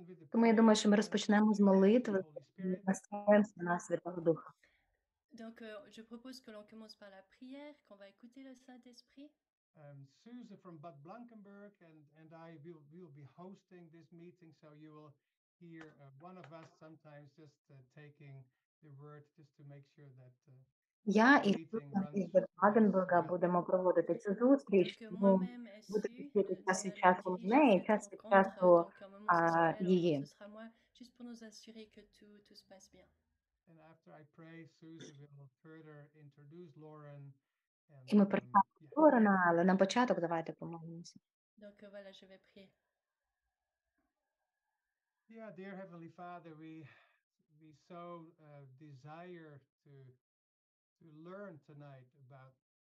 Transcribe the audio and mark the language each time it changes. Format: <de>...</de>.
<uk>Тому я думаю, що ми розпочнемо з молитви і настроїмося на Святого Духа.</uk> <fr>Donc, je propose que l'on commence par la prière, qu'on va écouter le Saint-Esprit.</fr> <en>Susan from Bad Blankenburg and I will be hosting this meeting, so you will hear one of us sometimes just taking the word just to make sure that</en> <uk>я і Susan із Bad Blankenburg будемо проводити цю зустріч, буде бути час від часу в неї, час від часу її.</uk> <fr>Juste pour nous assurer que tout se passe bien.</fr> <en>And after I pray, Susan will further introduce Lauren.</en> <uk>І ми представимо Лорена, але на початок давайте помолимося.</uk> <fr>Donc voilà, je vais prier.</fr> <en>Yeah, dear Heavenly Father, we so desire to learn tonight about.</en>